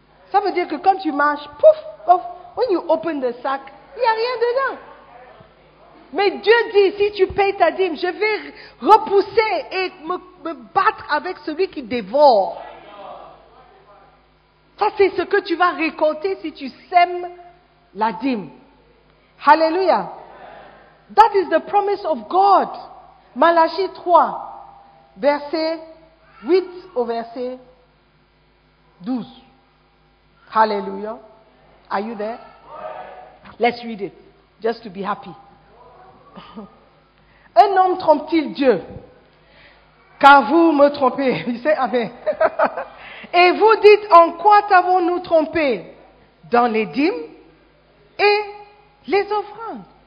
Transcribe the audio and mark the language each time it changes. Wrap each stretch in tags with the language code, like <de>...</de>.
<fr>Ça veut dire que quand tu marches, pouf, pouf,</fr> <en>when you open the sac,</en> <fr>il n'y a rien dedans. Mais Dieu dit, si tu payes ta dîme, je vais repousser et me battre avec celui qui dévore. Ça, c'est ce que tu vas récolter si tu sèmes la dîme. Hallelujah.</fr> <en>That is the promise of God.</en> <fr>Malachie 3, verset 8 au verset 12.</fr> <en>Hallelujah. Are you there? Let's read it, just to be happy.</en> <fr>Un homme trompe-t-il Dieu? Car vous me trompez. Il sait, amen. Et vous dites, en quoi t'avons-nous trompé? Dans les dîmes et les offrandes.</fr>